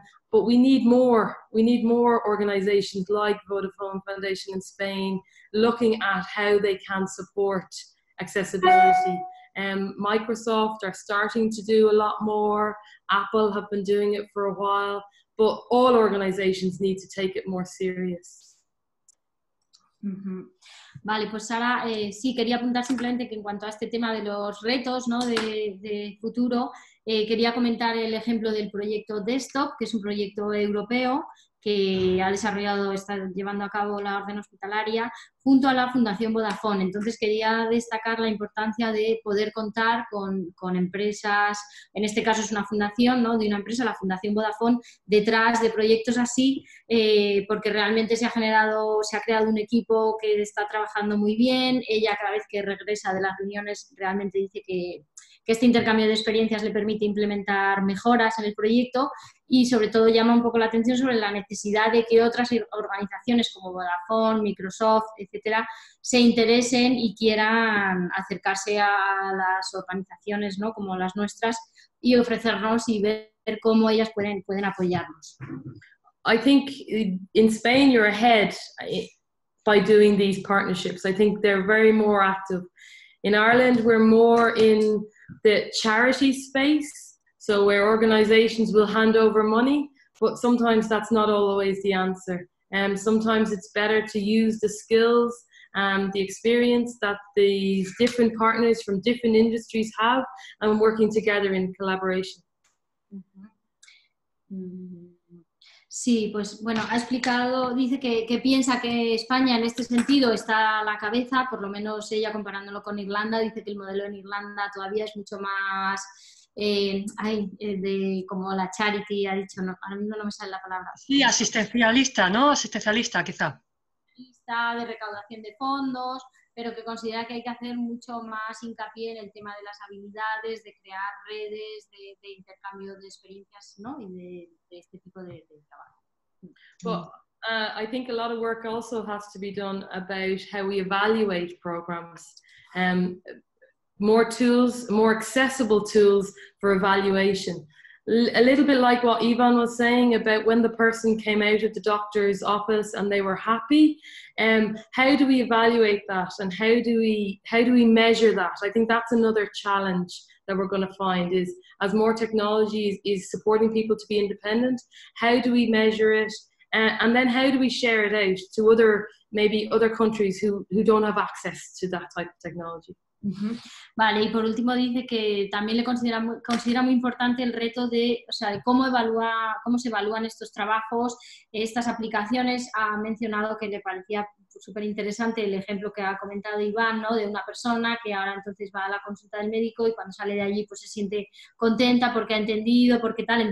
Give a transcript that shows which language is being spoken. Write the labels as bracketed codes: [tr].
[en] But we need more. We need more organizations like Vodafone Foundation in Spain looking at how they can support accessibility. Microsoft are starting to do a lot more. Apple have been doing it for a while. But all organizations need to take it more serious. [es] Vale, pues Sara, sí, quería apuntar simplemente que en cuanto a este tema de los retos, ¿no?, de futuro, quería comentar el ejemplo del proyecto Desktop, que es un proyecto europeo que ha desarrollado, está llevando a cabo la Orden Hospitalaria junto a la Fundación Vodafone. Entonces quería destacar la importancia de poder contar con empresas, en este caso es una fundación, ¿no?, de una empresa, la Fundación Vodafone, detrás de proyectos así, porque realmente se ha creado un equipo que está trabajando muy bien. Ella cada vez que regresa de las reuniones realmente dice que este intercambio de experiencias le permite implementar mejoras en el proyecto y sobre todo llama un poco la atención sobre la necesidad de que otras organizaciones como Vodafone, Microsoft, etcétera, se interesen y quieran acercarse a las organizaciones, ¿no?, como las nuestras y ofrecernos y ver cómo ellas pueden apoyarnos. [en] I think in Spain you're ahead by doing these partnerships. I think they're very more active. In Ireland we're more in the charity space, so where organizations will hand over money, but sometimes that's not always the answer. Sometimes it's better to use the skills and the experience that these different partners from different industries have and working together in collaboration. [es] Sí, pues bueno, ha explicado, dice que piensa que España en este sentido está a la cabeza, por lo menos ella comparándolo con Irlanda, dice que el modelo en Irlanda todavía es mucho más de como la charity, ha dicho, no, ahora mismo no me sale la palabra. Sí, asistencialista, ¿no? Asistencialista, quizá. Asistencialista, de recaudación de fondos, pero que considera que hay que hacer mucho más hincapié en el tema de las habilidades, de crear redes, de intercambio de experiencias, ¿no?, y de este tipo de trabajo. [en] Well, I think a lot of work also has to be done about how we evaluate programs. More tools, more accessible tools for evaluation. A little bit like what Ivan was saying about when the person came out of the doctor's office and they were happy. How do we evaluate that and how do we measure that? I think that's another challenge that that we're going to find is, as more technology is supporting people to be independent, how do we measure it? And then how do we share it out to other, maybe other countries who don't have access to that type of technology? Uh-huh. [es] Vale, y por último dice que también le considera muy importante el reto de, o sea, de cómo se evalúan estos trabajos, estas aplicaciones. Ha mencionado que le parecía súper interesante el ejemplo que ha comentado Iván, ¿no? De una persona que ahora entonces va a la consulta del médico y cuando sale de allí pues se siente contenta porque ha entendido, porque tal.